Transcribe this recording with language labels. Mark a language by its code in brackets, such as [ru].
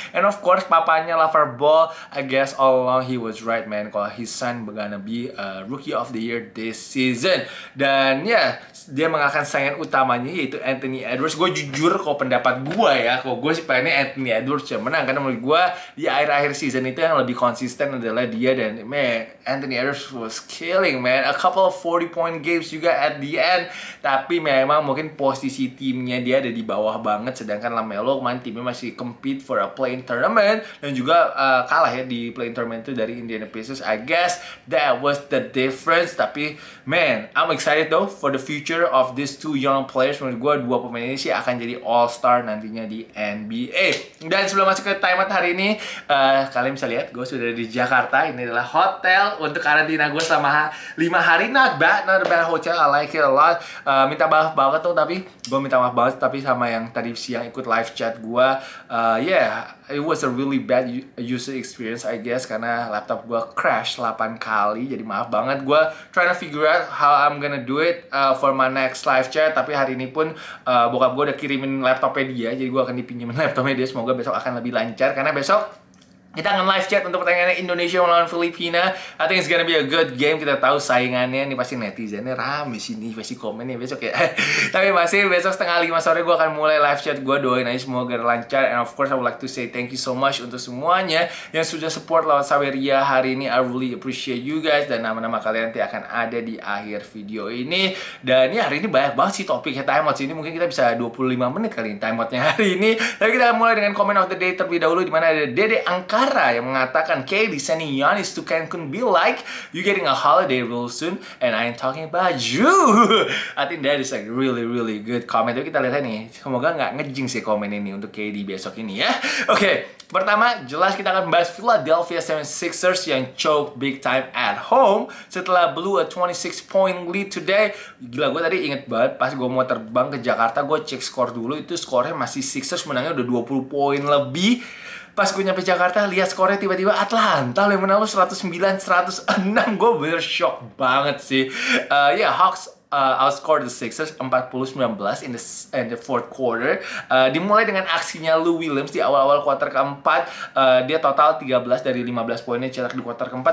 [en] And of course papanya LaVar Ball, I guess all along he was right man, kalau his son gonna be rookie of the year this season. [id] Dan ya, dia mengalahkan saingan utamanya yaitu Anthony Edwards. Gue jujur kalau pendapat gue ya, kalau gue sih pengennya Anthony Edwards yang menang, karena menurut gue di akhir-akhir season itu yang lebih konsisten adalah dia. [en] Dan man, Anthony Edwards was killing man, a couple of 40 point games juga at the end. [id] Tapi memang mungkin posisi timnya dia ada di bawah banget, sedangkan LaMelo kemarin timnya masih [en] compete for a play-in tournament [id] dan juga kalah ya di play-in tournament itu dari Indiana Pacers. [en] I guess that was the difference. Tapi man, I'm excited though for the future of these two young players. [id] Menurut gue dua pemain ini sih akan jadi all-star nantinya di NBA. Dan sebelum masuk ke timeout hari ini, kalian bisa lihat gue sudah di Jakarta. Ini adalah hotel untuk karantina gue sama 5 hari. [en] Not bad hotel, I like it a lot. [id] Gue minta maaf banget tapi sama yang tadi siang ikut live chat gue. [en] It was a really bad user experience I guess, [id] karena laptop gue crash 8 kali. Jadi maaf banget, gue [en] trying to figure out how I'm gonna do it for my next live chat. [id] Tapi hari ini pun bokap gue udah kirimin laptopnya dia, jadi gue akan dipinjemin laptopnya dia. Semoga besok akan lebih lancar, karena besok kita akan live chat untuk pertandingan Indonesia melawan Filipina. [en] I think it's gonna be a good game. [id] Kita tahu saingannya ini pasti netizennya rame sini, pasti komennya besok ya. Tapi masih besok setengah 5 sore gue akan mulai live chat. Gue doain aja semoga lancar. [en] And of course I would like to say thank you so much [id] untuk semuanya yang sudah support lawan Saweria hari ini. [en] I really appreciate you guys. [id] Dan nama-nama kalian nanti akan ada di akhir video ini. Dan ya, hari ini banyak banget sih topiknya, time out ini mungkin kita bisa 25 menit kali ini time outnya hari ini. Tapi kita akan mulai dengan comment of the day terlebih dahulu, di mana ada Dede Angka Kara yang mengatakan, [en] Katie sending Giannis to Cancun be like, you getting a holiday real soon, and I'm talking about you. I think that is a really, really good comment. [id] Tapi kita lihat ini, semoga nggak nge-jinx sih komen ini untuk Katie besok ini ya. Oke, pertama, jelas kita akan bahas Philadelphia 76ers yang [en] choke big time at home [id] setelah [en] blew a 26 point lead today. [id] Gila, gue tadi inget banget pas gue mau terbang ke Jakarta, gue cek skor dulu, itu skornya masih Sixers menangnya udah 20 poin lebih. Pas gue nyampe Jakarta, lihat skornya tiba-tiba Atlanta yang menang lu 109-106. Gue bener shock banget sih. [en] Hawks outscored the Sixers 40-19 in the fourth quarter. [id] Dimulai dengan aksinya Lou Williams di awal-awal quarter keempat. Dia total 13 dari 15 poinnya cetak di quarter keempat.